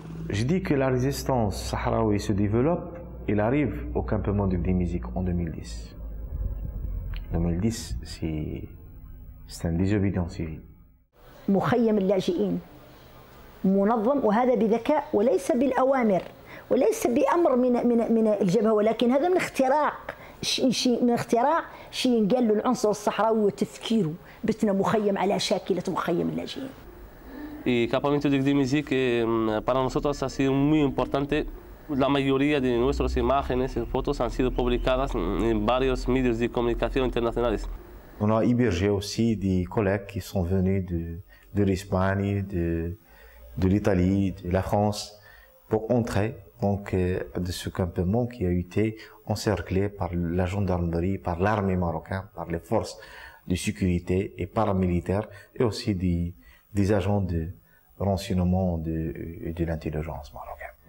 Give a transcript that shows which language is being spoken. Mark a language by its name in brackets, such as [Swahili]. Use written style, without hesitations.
[French] Je dis que la résistance sahraoui se développe, il arrive au campement de Gdemizik en 2010. 2010, c'est un désobédient civil. [Arabic] مخيم اللاجئين منظم وهذا بذكاء وليس بالأوامر وليس بأمر من من من الجبهة ولكن هذا من اختراق شيء من اختراع شيء ينقال له العنصر الصحراوي وتفكيره بتنا مخيم على شاكلة مخيم اللاجئين. [Spanish] Y el campamento de Gdemizik para nosotros ha sido muy importante. La mayoría de nuestras imágenes y fotos han sido publicadas en varios medios de comunicación internacionales. [French] On a hébergé aussi des collègues qui sont venus de l'Espagne, de l'Italie, de la France pour entrer donc de ce campement qui a été encerclé par la gendarmerie, par l'armée marocaine, par les forces de sécurité et paramilitaires et aussi des agents de renseignement et de l'intelligence marocaine.